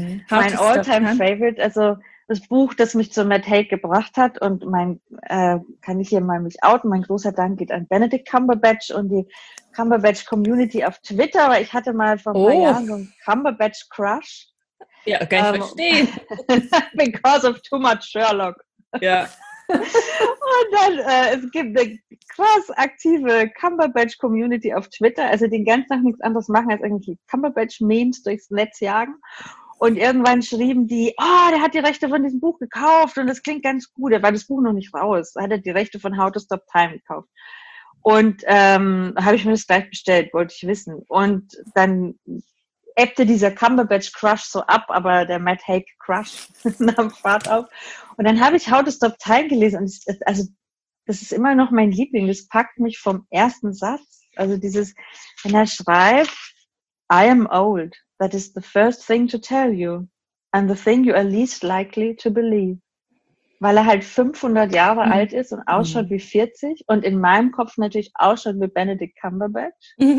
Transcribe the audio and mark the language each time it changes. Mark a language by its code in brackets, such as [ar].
[de] Mein all-time-favorite, also das Buch, das mich zu Matt Haig gebracht hat und mein, kann ich hier mal mich outen, mein großer Dank geht an Benedict Cumberbatch und die Cumberbatch-Community auf Twitter, weil ich hatte mal vor ein paar Jahren so einen Cumberbatch-Crush. Ja, kann ich verstehen. [en] Because of too much Sherlock. [de] Ja. Und dann, es gibt eine krass aktive Cumberbatch-Community auf Twitter, also die den ganzen Tag nichts anderes machen, als irgendwie Cumberbatch-Memes durchs Netz jagen. Und irgendwann schrieben die, oh, der hat die Rechte von diesem Buch gekauft und das klingt ganz gut. Er war das Buch noch nicht raus. Er hat die Rechte von How to Stop Time gekauft. Und habe ich mir das gleich bestellt, wollte ich wissen. Und dann ebbte dieser Cumberbatch-Crush so ab, aber der Matt Haig-Crush nahm Fahrt auf. Und dann habe ich How to Stop Time gelesen. Und das ist immer noch mein Liebling. Das packt mich vom ersten Satz. Also dieses, wenn er schreibt, [en] I am old. That is the first thing to tell you and the thing you are least likely to believe. [de] Weil er halt 500 Jahre alt ist und ausschaut wie 40 und in meinem Kopf natürlich ausschaut wie Benedict Cumberbatch.